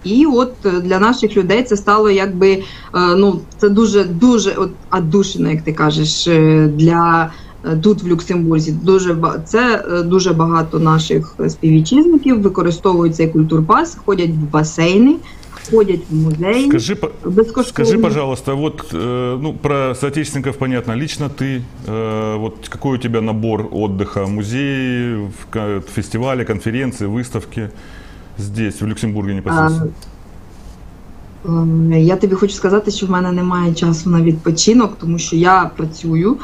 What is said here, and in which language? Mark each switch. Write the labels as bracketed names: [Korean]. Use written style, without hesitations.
[Ukrainian] І от для наших людей це стало якби, ну, це дуже-дуже отдушина, як ти кажеш, для тут в Люксембурзі. Дуже багато наших співвітчизників використовують цей культурпас, ходять в басейни, ходять в музей. [Russian] Скажи, пожалуйста, вот, ну, про соотечественников понятно. Лично ты, вот какой у тебя набор отдыха? Музеи, фестивали, конференции, выставки здесь, в Люксембурге непосредственно? [Ukrainian] Я тобі хочу сказати, що в мене немає часу на відпочинок, тому що я працюю.